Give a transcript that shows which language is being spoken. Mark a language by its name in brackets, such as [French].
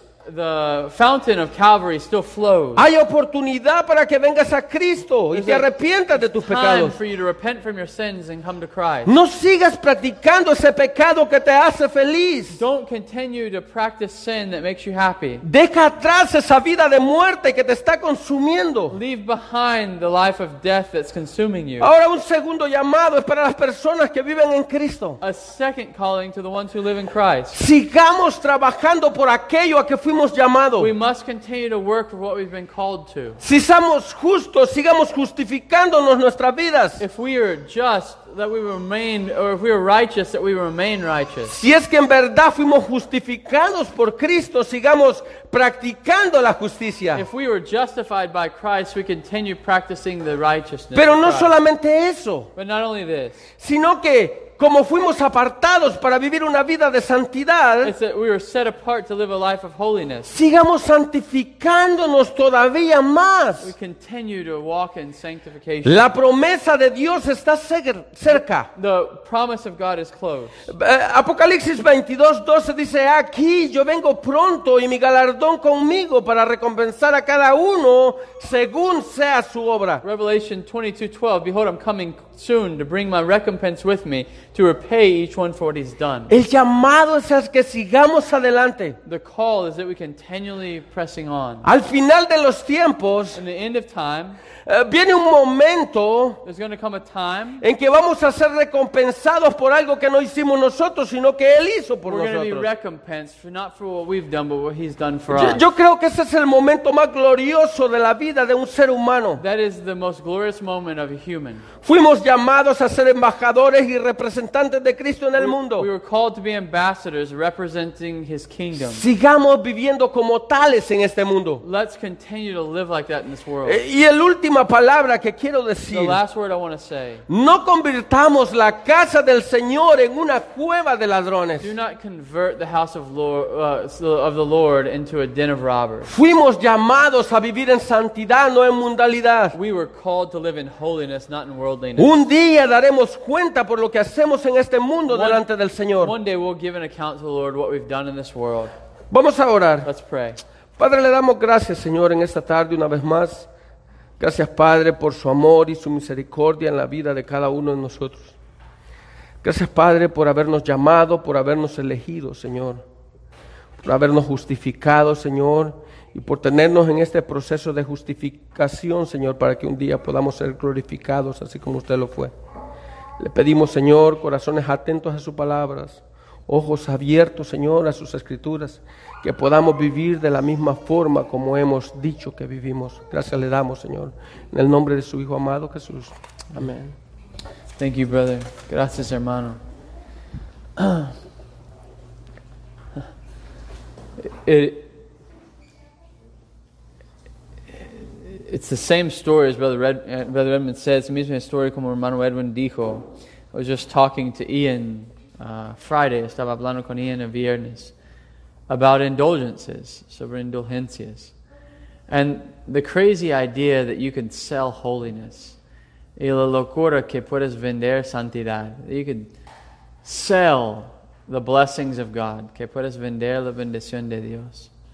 [English] The fountain of Calvary still flows. [Spanish] Hay oportunidad para que vengas a Cristo y te arrepientas de tus pecados. [English] For you to repent from your sins and come to Christ. [Spanish] No sigas practicando ese pecado que te hace feliz. [English] Don't continue to practice sin that makes you happy. [Spanish] Deja atrás esa vida de muerte que te está consumiendo. [English] Leave behind the life of death that's consuming you. [Spanish] Ahora un segundo llamado es para las personas que viven en Cristo. [English] A second calling to the ones who live in Christ. [Spanish] Sigamos trabajando por aquello a que fuimos llamados. [English] We must continue to work for what we've been called to. [Spanish] Si somos justos, sigamos justificándonos nuestras vidas. [English] If we are just, that we remain, or if we are righteous, that we remain righteous. [Spanish] Si es que en verdad fuimos justificados por Cristo, sigamos practicando la justicia. [English] If we were justified by Christ, we continue practicing the righteousness. [Spanish] Pero no solamente eso. [English] But not only this. [Spanish] Sino que como fuimos apartados para vivir una vida de santidad, [English] it's that we were set apart to live a life of holiness. [Spanish] Sigamos santificándonos todavía más. [English] We continue to walk in sanctification. [Spanish] La promesa de Dios está cerca. [English] The promise of God is close. [Spanish] Apocalipsis 22:12 dice, aquí yo vengo pronto y mi galardón conmigo para recompensar a cada uno según sea su obra. [English] Revelation 22:12, behold, I'm coming soon to bring my recompense with me to repay each one for what he's done. [Spanish] El llamado es a que sigamos adelante. [English] The call is that we continually pressing on. [Spanish] Al final de los tiempos, [English] in the end of time, [Spanish] viene un momento, [English] there's going to come a time, [Spanish] en que vamos a ser recompensados por algo que no hicimos nosotros, sino que él hizo por [English] we're [Spanish] nosotros. [English] We're going to be recompensed for not for what we've done, but what he's done for us. [Spanish] Yo creo que ese es el momento más glorioso de la vida de un ser humano. [English] That is the most glorious moment of a human. [Spanish] Fuimos llamados a ser embajadores y representantes de Cristo en el mundo. [English] We were called to be ambassadors representing his kingdom. [Spanish] Sigamos viviendo como tales en este mundo. [English] Let's continue to live like that in this world. [Spanish] Y la última palabra que quiero decir. [English] The last word I want to say. [Spanish] No convirtamos la casa del Señor en una cueva de ladrones. [English] Do not convert the house of the Lord into a den of robbers. [Spanish] Fuimos llamados a vivir en santidad, no en mundanalidad. [English] We were called to live in holiness, not in worldliness. [Spanish] Un día daremos cuenta por lo que hacemos en este mundo delante del Señor. [English] One day we'll give an account to the Lord what we've done in this world. [Spanish] Vamos a orar. [English] Let's pray. [Spanish] Padre, le damos gracias, Señor, en esta tarde una vez más. Gracias, Padre, por su amor y su misericordia en la vida de cada uno de nosotros. Gracias, Padre, por habernos llamado, por habernos elegido, Señor. Por habernos justificado, Señor, y por tenernos en este proceso de justificación, Señor, para que un día podamos ser glorificados así como usted lo fue. Le pedimos, Señor, corazones atentos a sus palabras, ojos abiertos, Señor, a sus escrituras, que podamos vivir de la misma forma como hemos dicho que vivimos. Gracias le damos, Señor, en el nombre de su Hijo amado Jesús. Amén. [English] Thank you, brother. [Spanish] Gracias, hermano. [English] It's the same story as Brother Edmund said. It's the [Spanish] misma historia como hermano Edwin dijo. [English] I was just talking to Ian Friday. [Spanish] Estaba hablando con Ian el viernes [English] about indulgences, [Spanish] sobre indulgencias. [English] And the crazy idea that you can sell holiness. [Spanish] Y la locura que puedes vender santidad. [English] You can sell the blessings of God. [Spanish] Que puedes vender la bendición de Dios.